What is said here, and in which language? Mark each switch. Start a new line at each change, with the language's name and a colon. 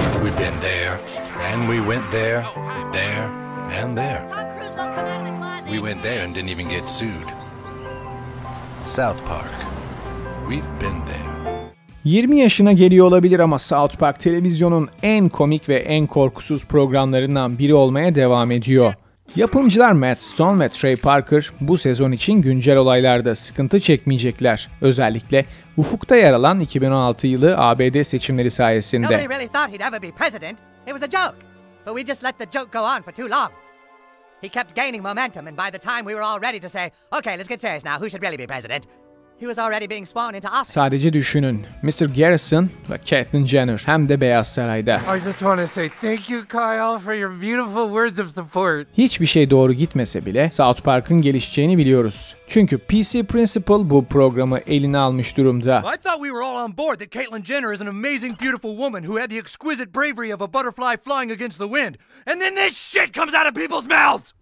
English: We've been there, and we went there, there, and there. We went there and didn't even get sued. South Park, we've been there.
Turkish: 20 yaşına geliyor olabilir ama South Park televizyonun en komik ve en korkusuz programlarından biri olmaya devam ediyor. Yapımcılar Matt Stone ve Trey Parker bu sezon için güncel olaylarda sıkıntı çekmeyecekler. Özellikle ufukta yer alan 2016 yılı ABD seçimleri sayesinde.
English: Nobody really thought he'd ever be president. It was a joke. But we just let the joke go on for too long. He kept gaining momentum and by the time we were all ready to say, okay, let's get serious now. Who should really be president? He was already being sworn into office.
Turkish: Sadece düşünün.
English: Mr.
Turkish: Garrison ve Caitlyn Jenner hem de Beyaz Saray'da.
English: I just want to say thank you Kyle for your beautiful words of support.
Turkish: Hiçbir şey doğru gitmese bile South Park'ın gelişeceğini biliyoruz. Çünkü PC Principal bu programı eline almış durumda.
English: I thought we were all on board that Caitlyn Jenner is an amazing beautiful woman who had the exquisite bravery of a butterfly flying against the wind. And then this shit comes out of people's mouths.